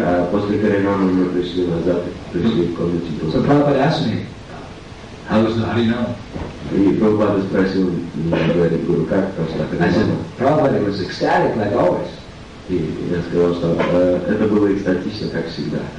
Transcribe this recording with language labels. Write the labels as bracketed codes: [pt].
[ru] После Харинама мы пришли назад, пришли в комнате. [en] So Prabhupada asked me, how was the Harinam? [ru] И Прабхупада спросил меня, говорит, как прошла Харинама? [en] I said, Prabhupada was ecstatic like always. [ru] И я сказал, что это было экстатично, как всегда.